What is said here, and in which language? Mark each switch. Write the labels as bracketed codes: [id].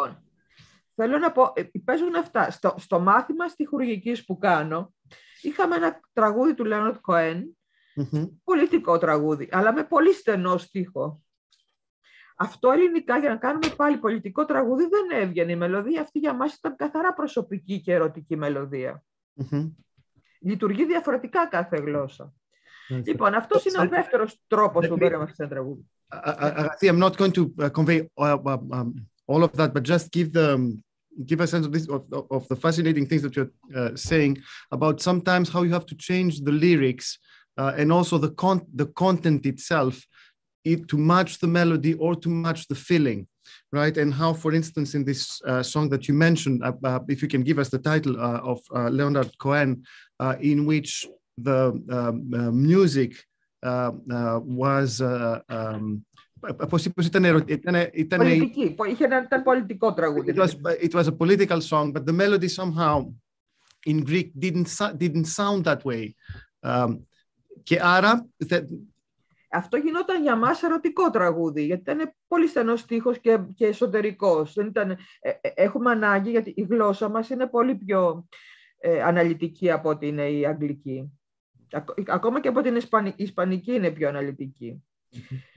[el] Λοιπόν, θέλω να πω, παίζουν αυτά. Στο μάθημα στιχουργικής που κάνω, είχαμε ένα τραγούδι του Λέοναρντ Κοέν, πολιτικό τραγούδι, αλλά με πολύ στενό στίχο. Αυτό ελληνικά, για να κάνουμε πάλι πολιτικό τραγούδι, δεν έβγαινε η μελωδία. Αυτή για μας ήταν καθαρά προσωπική και ερωτική μελωδία. Λειτουργεί διαφορετικά κάθε γλώσσα. Λοιπόν, αυτός είναι ο δεύτερος τρόπος που μπορεί να μας τραγούδι. [en] Agathi, I'm not going to convey all of that, but just give a sense of this of the fascinating things that you're saying about sometimes how you have to change the lyrics and also the content itself to match the melody or to match the feeling, right? And how, for instance, in this song that you mentioned, if you can give us the title of Leonard Cohen, in which the music. It was a political song, but the melody somehow in Greek didn't sound that way. [el] Και άρα, Αυτό γινόταν για μας ερωτικό τραγούδι, γιατί ήταν πολύ στενός στίχος και εσωτερικός. Δεν ήταν, έχουμε ανάγκη, γιατί η γλώσσα μας είναι πολύ πιο αναλυτική από ό,τι είναι η αγγλική. Ακόμα και από την ισπανική είναι πιο αναλυτική. Mm-hmm.